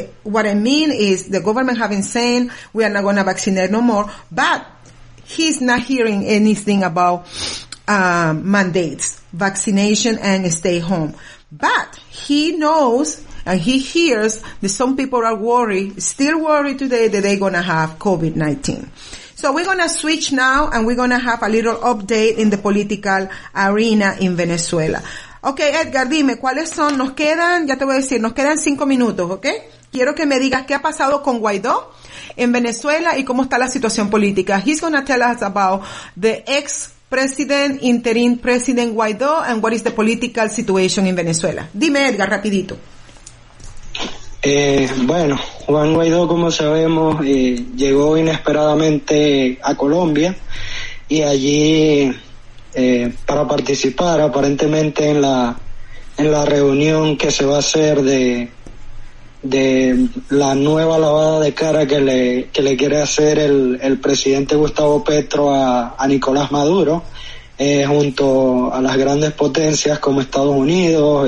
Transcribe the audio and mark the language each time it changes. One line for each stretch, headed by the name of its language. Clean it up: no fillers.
English: What I mean is the government having said we are not going to vaccinate no more, but he's not hearing anything about mandates, vaccination and stay home. But he knows and he hears that some people are worried, still worried today that they're going to have COVID-19. So we're going to switch now and we're going to have a little update in the political arena in Venezuela.
Spanish: Okay, Edgar, dime, ¿cuáles son? Nos quedan, ya te voy a decir, nos quedan 5 minutos, okay? Quiero que me digas qué ha pasado con Guaidó en Venezuela y cómo está la situación política.
English: He's going to tell us about the ex-president, interim president Guaidó and what is the political situation in Venezuela.
Spanish: Dime, Edgar, rapidito. Bueno, Juan Guaidó, como sabemos, llegó inesperadamente a Colombia y allí para participar aparentemente en la reunión que se va a hacer de la nueva lavada de cara que le quiere hacer el presidente Gustavo Petro a Nicolás Maduro, junto a las grandes potencias como Estados Unidos.